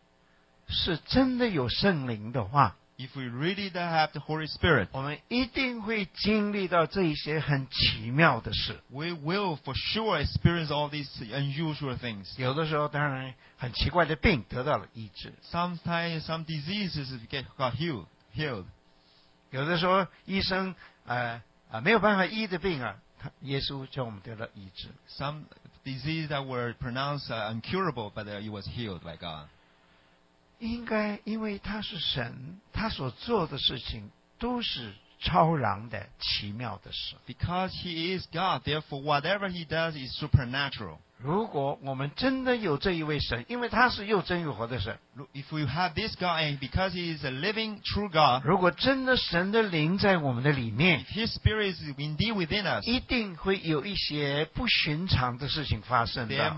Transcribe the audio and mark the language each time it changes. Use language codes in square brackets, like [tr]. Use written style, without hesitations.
[zh] 如果我们是真的有圣灵的话, [en] if we really have the Holy Spirit, we will for sure experience all these unusual things. [zh] 有的时候当然很奇怪的病得到了医治, [en] sometimes some diseases get healed. [zh] 有的时候医生没有办法医的病啊, 耶稣叫我们得到医治。 [en] Some disease that were pronounced incurable, but it was healed by God. [zh] 应该因为他是神, 他所做的事情都是超然的, 奇妙的事。 [en] Because He is God, therefore whatever He does is supernatural. [zh] 如果我们真的有这一位神, 因为他是又真又活的神, [en] if we have this God, and because He is a living true God, [zh] 如果真的神的灵在我们的里面, [en] if His Spirit is indeed within us, [zh] 一定会有一些不寻常的事情发生,